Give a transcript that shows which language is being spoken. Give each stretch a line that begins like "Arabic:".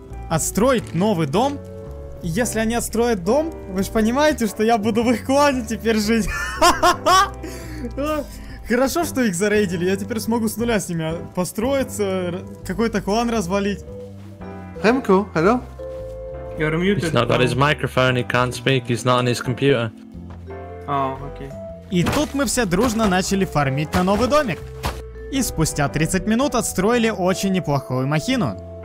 Russian: Отстроить новый дом? Если они отстроят дом, вы же понимаете, что я буду в их клане теперь жить. Хорошо, что их зарейдили, я теперь смогу с нуля с ними построиться, какой-то клан развалить.
English: Remco, hello? You're muted. He's not got his microphone, he can't speak, he's not on his computer. Oh, okay.
Russian: И тут мы все дружно начали фармить на новый домик. И спустя 30 минут отстроили очень неплохую махину.